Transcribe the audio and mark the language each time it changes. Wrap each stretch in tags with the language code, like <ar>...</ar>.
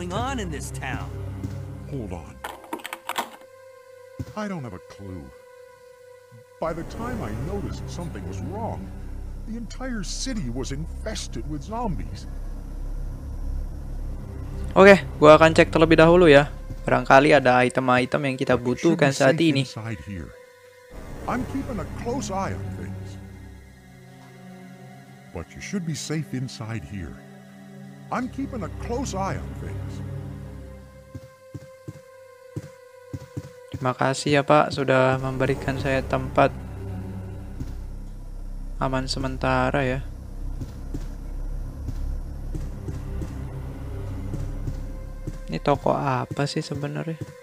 <en>What's going on in this town? Hold on. I don't have a clue. By the time I noticed something was wrong, the entire city was infested with zombies.</en> <id>Oke, gua akan cek terlebih dahulu ya. Barangkali ada item-item yang kita butuhkan saat ini.</id> <en>I'm keeping a close eye on things. But you should be safe inside here. I'm keeping a close eye on things.</en> <id>Terima kasih ya Pak sudah memberikan saya tempat aman sementara ya. Ini toko apa sih sebenarnya?</id>